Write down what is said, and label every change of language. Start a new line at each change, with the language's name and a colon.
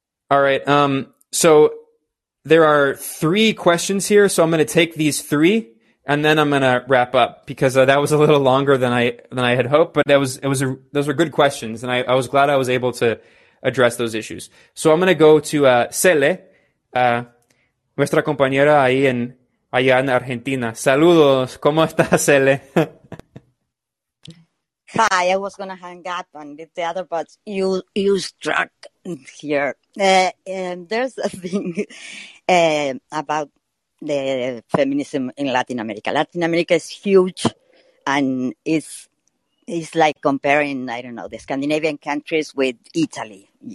English: All right. So there are three questions here. So I'm going to take these three and then I'm going to wrap up, because that was a little longer than I had hoped. But those were good questions. And I was glad I was able to address those issues. So I'm going to go to Cele,
Spanish: nuestra compañera ahí en allá en Argentina. Saludos. ¿Cómo estás, Cele?
English: Hi, I was going to hang up on the other, but you struck here. And there's a thing about the feminism in Latin America. Latin America is huge, and it's like comparing, I don't know, the Scandinavian countries with Italy.